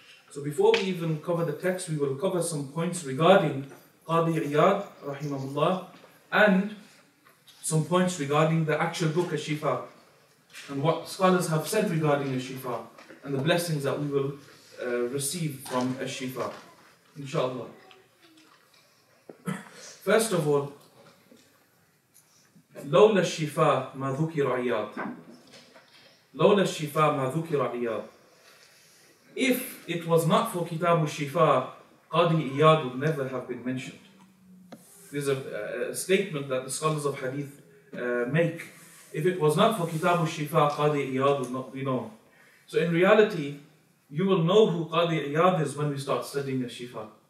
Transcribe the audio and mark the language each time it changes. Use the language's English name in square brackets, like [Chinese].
[English] So before we even cover the text, we will cover some points regarding Qadi Iyad, rahimahullah, and some points regarding the actual book al-Shifa, and what scholars have said regarding al-Shifa, and the blessings that we will receive from al-Shifa, inshallah. First of all, [Arabic] لولا الشفاء ما ذكر عياد. لولا الشفاء ما ذكر عياد. [English] If it was not for Kitab al-Shifa, Qadi Iyad would never have been mentioned. There's a statement that the scholars of Hadith make. If it was not for Kitab al-Shifa, Qadi Iyad would not be known. So in reality, you will know who Qadi Iyad is when we start studying al-Shifa.